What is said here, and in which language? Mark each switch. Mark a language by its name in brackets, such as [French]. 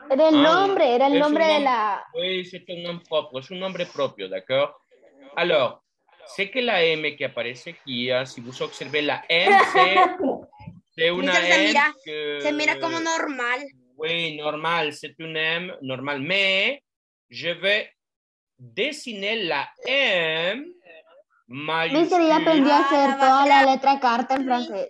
[Spanish] Era el nombre, era el nombre de la. [French] Oui, c'est un nom propre, [Spanish] es un nombre propio, [French] d'accord? [Spanish] Alors, sé que la M que aparece aquí, [French] si vous observez, [Spanish] la M, c'est. Una se, mira, se mira como normal. [French] Oui, normal, c'est une M normal. Mais je vais dessiner la M majuscule. [Spanish] Mister, ya aprendió a hacer toda la letra carta en francés.